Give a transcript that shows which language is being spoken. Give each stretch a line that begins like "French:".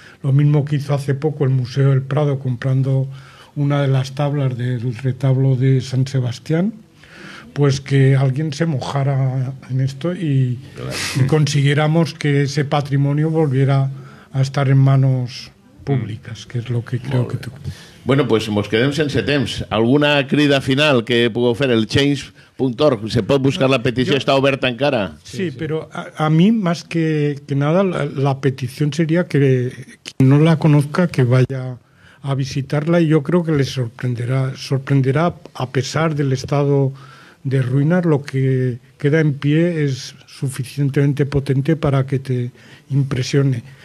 Spanish: Lo mismo que hizo hace poco el Museo del Prado comprando una de las tablas del retablo de San Sebastián, pues que alguien se mojara en esto y consiguiéramos que ese patrimonio volviera a estar en manos públicas, que es lo que creo que tú...
Catalan: Bueno, pues mos quedem sense temps. Alguna crida final que pugueu fer? El change.org, se pot buscar la petició? Està oberta encara? Sí, sí. Però a mi,
Spanish: más que nada, la petición sería que quien no la conozca, que vaya a visitarla, y yo creo que le sorprenderá, a pesar del estado de ruinas, lo que queda en pie es suficientemente potente para que te impresione.